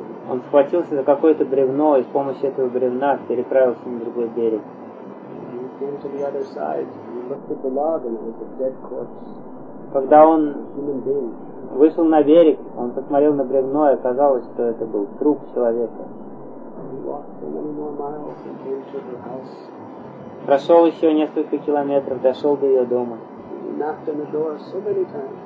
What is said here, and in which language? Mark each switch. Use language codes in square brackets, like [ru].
[ru] Он схватился за какое-то бревно и с помощью этого бревна переправился на другой берег. [en] He came to the other side, he looked at the log and it was a dead corpse. [ru] Когда он вышел на берег, он посмотрел на бревно и оказалось, что это был труп человека. [en] He walked for many more miles and came to her house. [ru] Прошел еще несколько километров, дошел до ее дома. [en] So